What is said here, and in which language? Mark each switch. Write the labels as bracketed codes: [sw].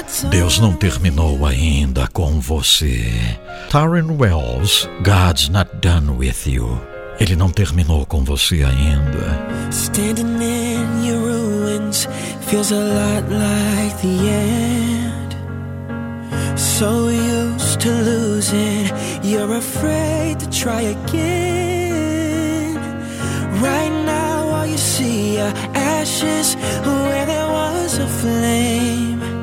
[pt] Deus não terminou ainda com você. [en] Taryn Wells, God's not done with you. [pt] Ele não terminou com você ainda. [en] Standing in your ruins feels a lot like the end. So used to losing, you're afraid to try again. Right now all you see are ashes where there was a flame.